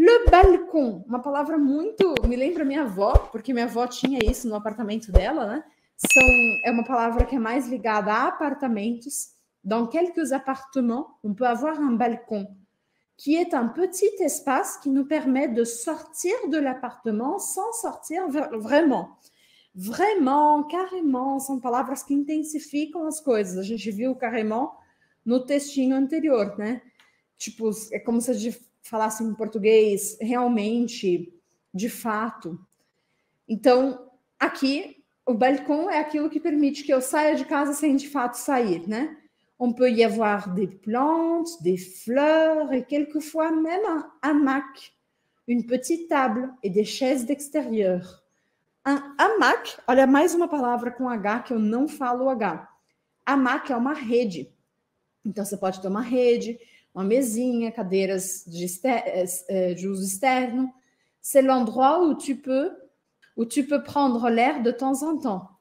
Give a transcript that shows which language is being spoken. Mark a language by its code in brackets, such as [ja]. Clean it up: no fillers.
[pt] balcon, uma palavra muito... Me lembra minha avó, porque minha avó tinha isso no apartamento dela, né? É uma palavra que é mais ligada a apartamentos. [fr] Dans quelques appartements, on peut avoir un balcon, qui est un petit espace qui nous permet de sortir de l'appartement sans sortir vraiment. [pt] Vraiment, carrément, são palavras que intensificam as coisas. A gente viu carrément no textinho anterior, né? Tipo, é como se a gente falasse em português, realmente, de fato. Então, aqui, o balcão é aquilo que permite que eu saia de casa sem de fato sair, né? [fr] On peut y avoir des plantes, des fleurs et quelquefois même un hamac, une petite table et des chaises d'extérieur. [pt] Un hamac, olha mais uma palavra com H que eu não falo H. Hamac é uma rede. Então você pode ter uma rede, uma mesinha, cadeiras de uso externo. [fr] C'est l'endroit où tu peux prendre l'air de temps en temps.